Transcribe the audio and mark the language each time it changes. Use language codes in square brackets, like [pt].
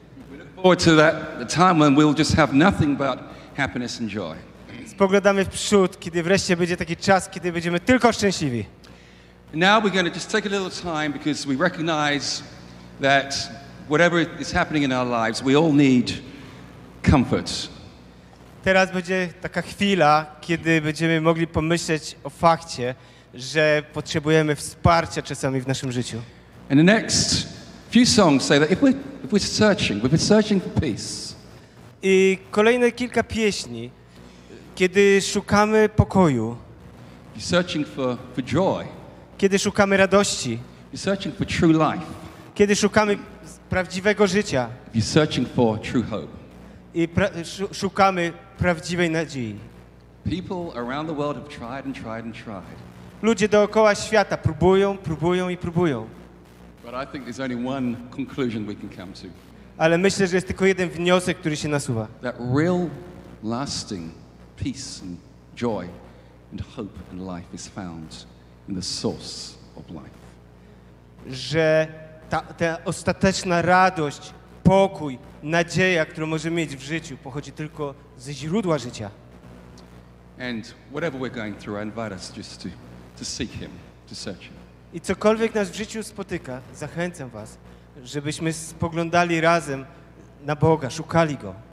[en] We look forward to that time when we'll just have nothing but happiness and joy. [pl] Spoglądamy w przód, kiedy wreszcie będzie taki czas, kiedy będziemy tylko szczęśliwi. [en] Now we're going to just take a little time because we recognize that whatever is happening in our lives, we all need comfort. [pl] Teraz będzie taka chwila, kiedy będziemy mogli pomyśleć o fakcie, że potrzebujemy wsparcia czasami w naszym życiu. [en] And the next few songs say that if we're searching for peace. [pl] I kolejne kilka pieśni, kiedy szukamy pokoju. [en] You're searching for joy. [pl] Kiedy szukamy radości. [en] You're searching for true life. [pl] Kiedy szukamy prawdziwego życia. [en] You're searching for true hope. [pl] I szukamy prawdziwej nadziei. [en] People around the world have tried and tried and tried. [pl] Ludzie dookoła świata próbują, próbują i próbują. [en] But I think there's only one conclusion we can come to. [pl] Ale myślę, że jest tylko jeden wniosek, który się nasuwa. [en] That real, lasting peace and joy and hope and life is found in the source of life. [pl] Że ta ostateczna radość, pokój, nadzieja, którą możemy mieć w życiu, pochodzi tylko ze źródła życia. [en] And whatever we're going through, I invite us just to seek Him, to search Him. [pl] I cokolwiek nas w życiu spotyka, zachęcam was, żebyśmy spoglądali razem na Boga, szukali Go.